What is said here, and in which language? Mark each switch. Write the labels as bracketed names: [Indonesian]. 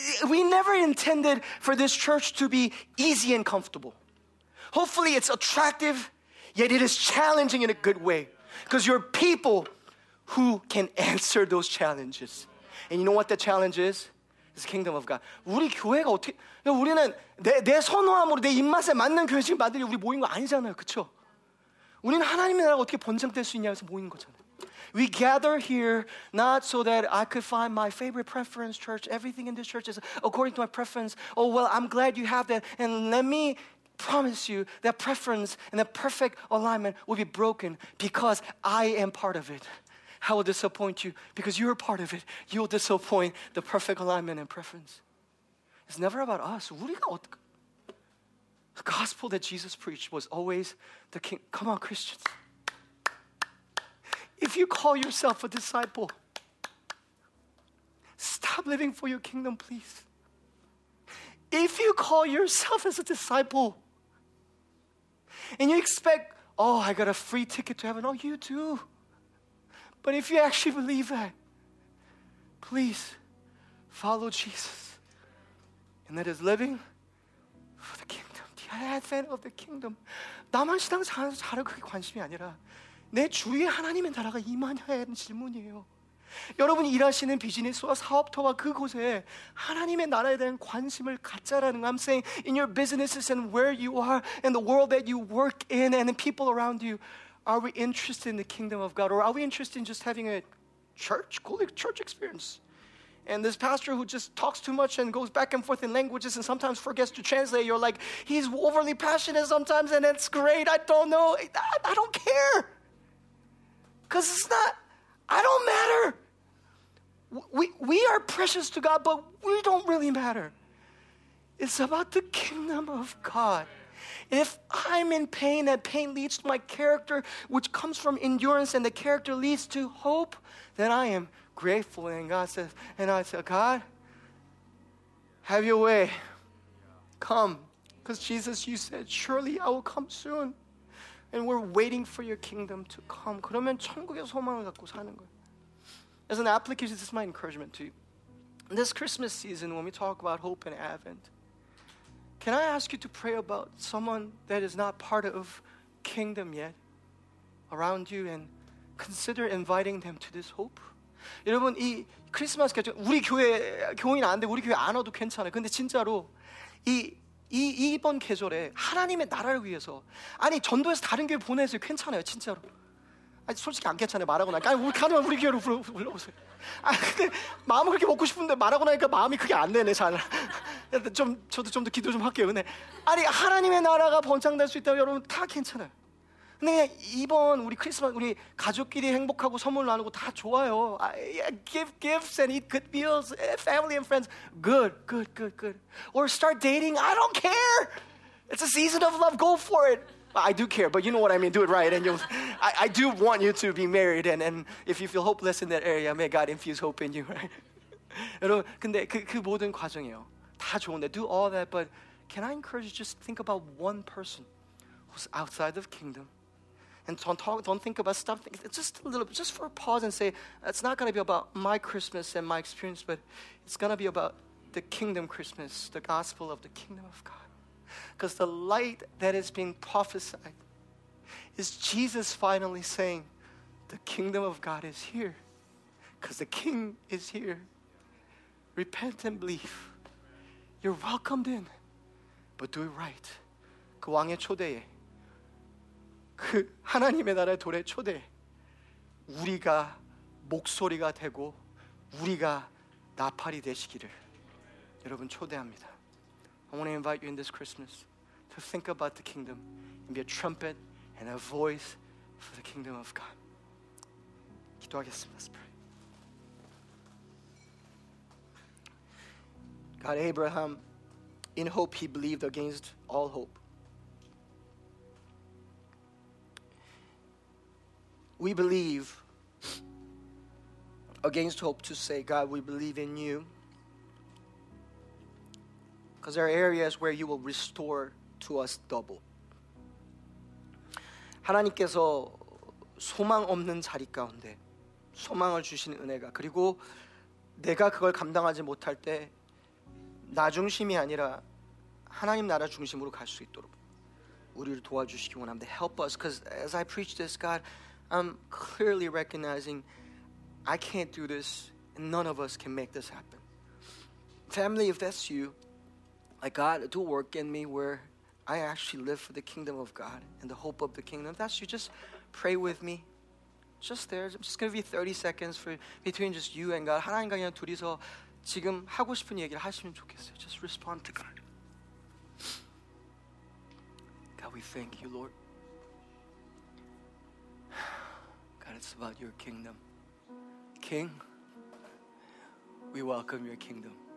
[English] We never intended for this church to be easy and comfortable. Hopefully it's attractive, yet it is challenging in a good way. Because you're people who can answer those challenges. And you know what the challenge is? It's the kingdom of God. [Korean] 우리 교회가 어떻게, 우리는 내 선호함으로 내 입맛에 맞는 교회 지금 만들려 우리 모인 거 아니잖아요. 그쵸? 우리는 하나님의 나라가 어떻게 번창될 수 있냐 해서 모인 거잖아요. [English] We gather here not so that I could find my favorite preference church. Everything in this church is according to my preference. Oh, well, I'm glad you have that. And let me promise you that preference and that perfect alignment will be broken because I am part of it. I will disappoint you because you're a part of it. You will disappoint the perfect alignment and preference. It's never about us. [Korean] 우리가 어떻게... [English] The gospel that Jesus preached was always the king. Come on, Christians. If you call yourself a disciple, stop living for your kingdom, please. If you call yourself as a disciple and you expect, oh, I got a free ticket to heaven. Oh, you do. But if you actually believe that, please follow Jesus. And that is living for the kingdom, the advent of the kingdom. [Korean] 나만 신앙 잘해서 잘하고 그게 관심이 아니라 내 주위에 하나님의 나라가 임하냐 하는 질문이에요. 여러분이 일하시는 비즈니스와 사업터와 그곳에 하나님의 나라에 대한 관심을 갖자라는 거. [English] I'm saying in your businesses and where you are and the world that you work in and the people around you, are we interested in the kingdom of God? Or are we interested in just having a church, cool church experience? And this pastor who just talks too much and goes back and forth in languages and sometimes forgets to translate, you're like, he's overly passionate sometimes and it's great. I don't know. I don't care. Because it's not, I don't matter. We are precious to God, but we don't really matter. It's about the kingdom of God. If I'm in pain, that pain leads to my character, which comes from endurance, and the character leads to hope, then I am grateful. And God says, and I say, God, have your way. Come. Because Jesus, you said, surely I will come soon. And we're waiting for your kingdom to come. [Korean] 그러면 천국의 소망을 갖고 사는 거예요. [English] As an application, this is my encouragement to you. In this Christmas season, when we talk about hope and Advent, can I ask you to pray about someone that is not part of kingdom yet around you and consider inviting them to this hope? [Korean] 여러분, 이 크리스마스 계절, 우리 교회 교인 안 돼, 우리 교회 안 와도 괜찮아요. 근데 진짜로 이 이번 계절에 하나님의 나라를 위해서, 아니 전도해서 다른 교회 보내세요. 괜찮아요, 진짜로. 아니 솔직히 안 괜찮아요. 말하고 나니까 우리 가능한 우리 교회로 불러오세요. 아 근데 마음 그렇게 먹고 싶은데 말하고 나니까 마음이 그게 안 되네. 잘 좀 저도 좀 더 기도 좀 할게요. 근데 아니 하나님의 나라가 번창될 수 있다고 여러분 다 괜찮아요. 근데 그냥 이번 우리 크리스마스 우리 가족끼리 행복하고 선물 나누고 다 좋아요. [English] Give gifts and eat good meals, family and friends. Good. Or start dating. I don't care. It's a season of love. Go for it. I do care, but you know what I mean. Do it right, and you'll. I do want you to be married, and if you feel hopeless in that area, may God infuse hope in you. Right? [Korean] 여러분, 근데 그 모든 과정이요. 다 좋은데, [English] do all that, but can I encourage you just think about one person who's outside of kingdom? And don't think about stuff. It's just a little bit, just for a pause and say, it's not going to be about my Christmas and my experience, but it's going to be about the kingdom Christmas, the gospel of the kingdom of God. Because the light that is being prophesied is Jesus finally saying, the kingdom of God is here. Because the king is here. Repent and believe. You're welcomed in, but do it right. [Korean] 그 왕의 초대에 그 하나님의 나라의 도래 초대 우리가 목소리가 되고 우리가 나팔이 되시기를 여러분 초대합니다. [English] I want to invite you in this Christmas to think about the kingdom and be a trumpet and a voice for the kingdom of God. [Korean] 기도하겠습니다. [English] Let's pray. God, Abraham, in hope he believed against all hope. We believe against hope to say, God, we believe in you. Because there are areas where you will restore to us double. [Korean] 하나님께서 소망 없는 자리 가운데 소망을 주시는 은혜가 그리고 내가 그걸 감당하지 못할 때 나 중심이 아니라 하나님 나라 중심으로 갈 수 있도록 우리를 도와주시기 원합니다. [English] Help us, because as I preach this, God, I'm clearly recognizing I can't do this and none of us can make this happen. Family, if that's you, like God, do work in me where I actually live for the kingdom of God and the hope of the kingdom. If that's you, just pray with me. Just there. I'm just going to be 30 seconds for between just you and God. [Korean] 하나님과 그냥 둘이서 지금 하고 싶은 얘기를 하시면 좋겠어요. [English] Just respond to God. God, we thank you, Lord. God, it's about your kingdom. King, we welcome your kingdom.